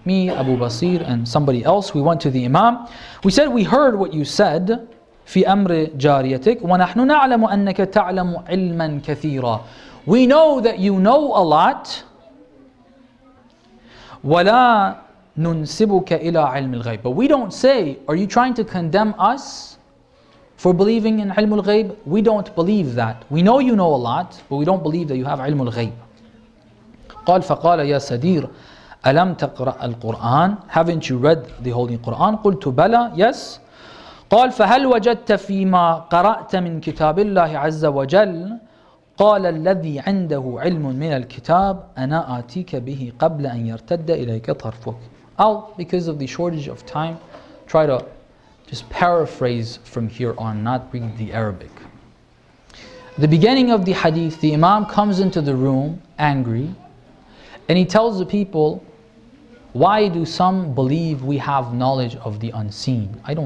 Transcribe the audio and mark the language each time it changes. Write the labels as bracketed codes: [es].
[en] Me, Abu Basir, and somebody else, we went to the Imam. We said, we heard what you said. [ar] في أمر جاريتك ونحن نعلم أنك تعلم علما كثيرا. [en] We know that you know a lot. [ar] ولا ننسبك إلى علم الغيب. [en] But we don't say, are you trying to condemn us for believing in علم الغيب? We don't believe that. We know you know a lot, but we don't believe that you have علم الغيب. [ar] قال فقال يا سدير ألم تقرأ القرآن? [en] Haven't you read the Holy Quran? [ar] قلت بلى. [en] Yes. [ar] قال فهل وجدت فيما قرأت من كتاب الله عز وجل? قال الذي عنده علم من الكتاب أنا آتيك به قبل أن يرتد إليك طرفك. [en] I'll, because of the shortage of time, try to just paraphrase from here on, not read the Arabic. The beginning of the hadith, the Imam comes into the room angry, and he tells the people, why do some believe we have knowledge of the unseen?